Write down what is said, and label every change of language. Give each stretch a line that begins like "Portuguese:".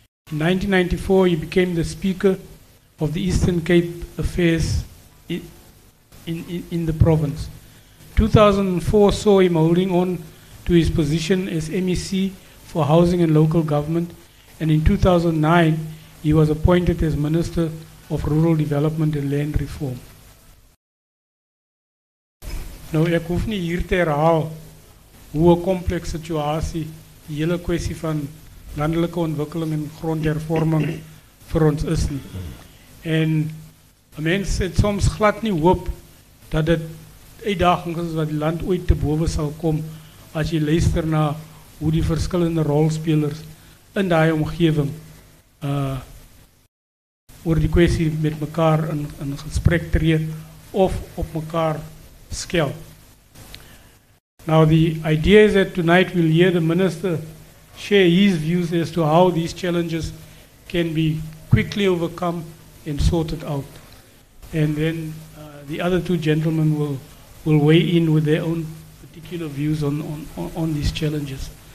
English: In 1994, he became the Speaker of the Eastern Cape Affairs in the province. 2004 saw him holding on to his position as MEC for Housing and Local Government. And in 2009, he was appointed as Minister of Rural Development and Land Reform.
Afrikaans: Nou, ek hoef nie hier te herhaal hoe 'n komplekse situasie die hele kwessie van landelike ontwikkeling en grondhervorming vir ons is nie. En 'n mens het soms glad nie hoop dat dit uitdagings is wat die land ooit te bowe sal kom, as jy luister na hoe die verskillende rolspelers in daai omgewing oor die kwestie met mekaar in gesprek tree of op mekaar skel.
English: Now the idea is that tonight we'll hear the minister share his views as to how these challenges can be quickly overcome and sorted out. And then the other two gentlemen will weigh in with their own particular views on these challenges.